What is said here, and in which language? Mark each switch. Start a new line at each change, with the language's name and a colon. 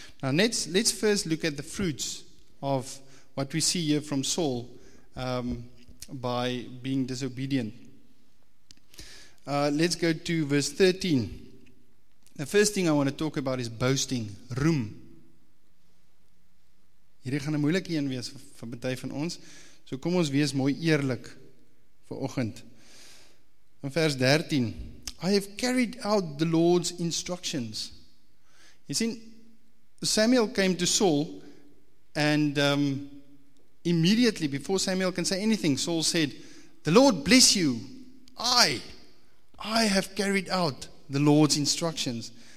English: Now let's first look at the fruits of what we see here from Saul by being disobedient. Let's go to verse 13. The first thing I want to talk about is boasting, roem.
Afrikaans: Hierdie gaan 'n moeilike een wees vir party van ons. So kom ons wees mooi eerlik vir oggend. In vers 13,
English: I have carried out the Lord's instructions. You see, Samuel came to Saul and immediately before Samuel can say anything, Saul said, "The Lord bless you. I have carried out the Lord's instructions."